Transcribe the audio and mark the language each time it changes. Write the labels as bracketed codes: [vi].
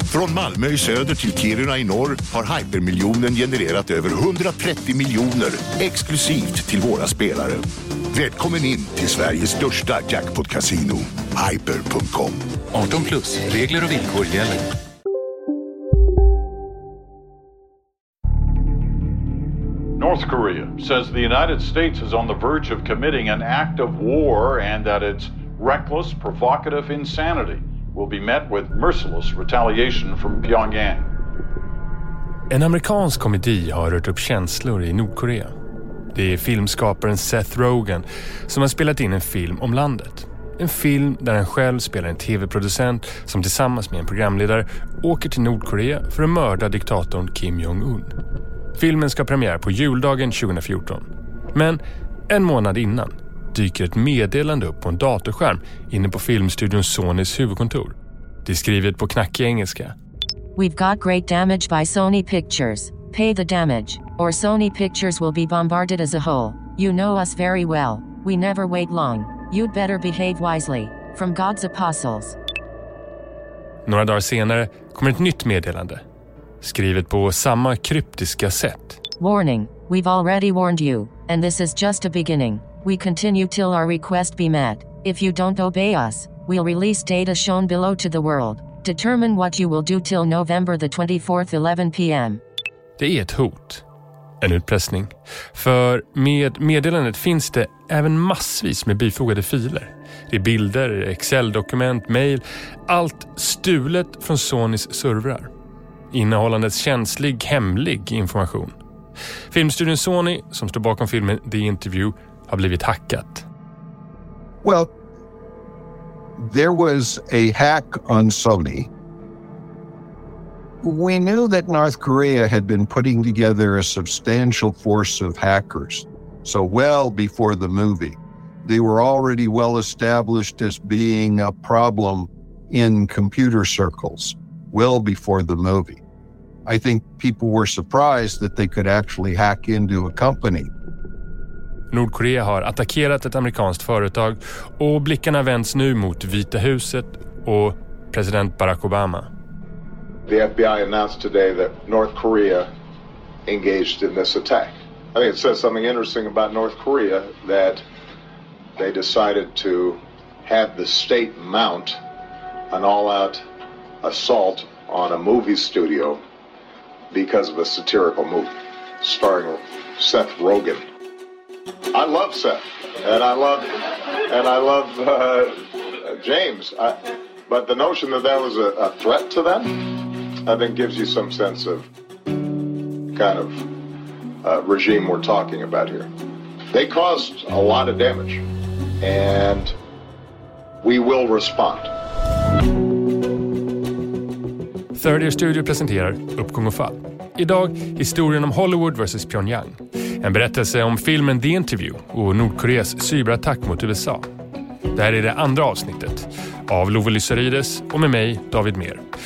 [sv] Från Malmö i söder till Kiruna i norr har Hypermiljonen genererat över 130 miljoner exklusivt till våra spelare. Välkommen in till Sveriges största jackpot-casino, hyper.com. 18 plus, regler och villkor gäller. [en] North Korea says the United States is on the verge of committing an act of war and that its reckless, provocative insanity will be met with merciless retaliation from Pyongyang. [sv] En amerikansk komedi har rört upp känslor i Nordkorea. Det är filmskaparen Seth Rogen som har spelat in en film om landet. En film där han själv spelar en tv-producent som tillsammans med en programledare åker till Nordkorea för att mörda diktatorn Kim Jong-un. Filmen ska premiär på juldagen 2014. Men en månad innan dyker ett meddelande upp på en datorskärm inne på filmstudion Sonys huvudkontor. Det är skrivet på knackig engelska. [en] We've got great damage by Sony Pictures. Pay the damage, or Sony Pictures will be bombarded as a whole. You know us very well. We never wait long. You'd better behave wisely. From God's apostles. [sv] Några dagar senare kommer ett nytt meddelande. Skrivet på samma kryptiska sätt. [en] Warning, we've already warned you, and this is just a beginning. We continue till our request be met. If you don't obey us, we'll release data shown below to the world. Determine what you will do till November the 24th, 11 p.m. [sv] Det är ett hot. En utpressning. För med meddelandet finns det även massvis med bifogade filer. Det är bilder, Excel-dokument, mail, allt stulet från Sonys servrar. Innehållandets känslig, hemlig information. Filmstudion Sony, som står bakom filmen The Interview, har blivit hackat. [en] Well, there was a hack on Sony. We knew that North Korea had been putting together a substantial force of hackers. So well before the movie, they were already well established as being a problem in computer circles, well before the movie. I think people were surprised that they could actually hack into a company. Nordkorea har attackerat ett amerikanskt företag och blickarna vänds nu mot Vita huset och president Barack Obama. The FBI announced today that North Korea engaged in this attack. I think it says something interesting about North Korea that they decided to have the state mount an all-out assault on a movie studio. Because of a satirical movie starring Seth Rogen. I love Seth, and I love James. But the notion that that was a threat to them, I think, gives you some sense of kind of regime we're talking about here. They caused a lot of damage, and we will respond. [sv] Third Ear Studio presenterar Uppgång och fall. Idag historien om Hollywood vs. Pyongyang. En berättelse om filmen The Interview och Nordkoreas cyberattack mot USA. Det här är det andra avsnittet av Love Lyserides och med mig, David Mer.